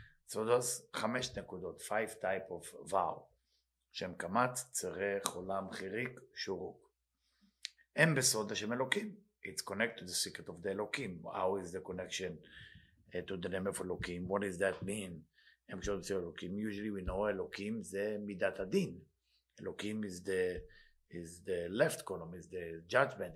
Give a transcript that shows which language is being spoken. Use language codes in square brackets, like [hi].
[en] So those [he] חמש נקודות, [en] five type of vowel, [he] שם קמץ, צרה, חולם, חיריק, שורוק. הם בסוד השם אלוקים. [en] It's connected to the secret of the Elokim. How is the connection to the name of Elokim? What does that mean? [he] הם קשורים לצל אלוקים. [en] Usually we know Elokim [he] זה מידת הדין. [en] Elokim is the left column, is the judgment.